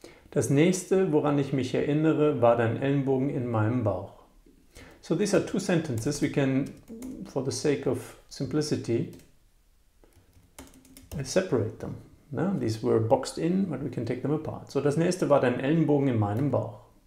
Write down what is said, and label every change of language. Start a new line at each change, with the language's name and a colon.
German: Das nächste, woran ich mich erinnere, war dein Ellenbogen in meinem Bauch.
English: So these are two sentences. We can, for the sake of simplicity, separate them. No? These were boxed in, but we can take them apart.
German: So das nächste war dein Ellenbogen in meinem Bauch.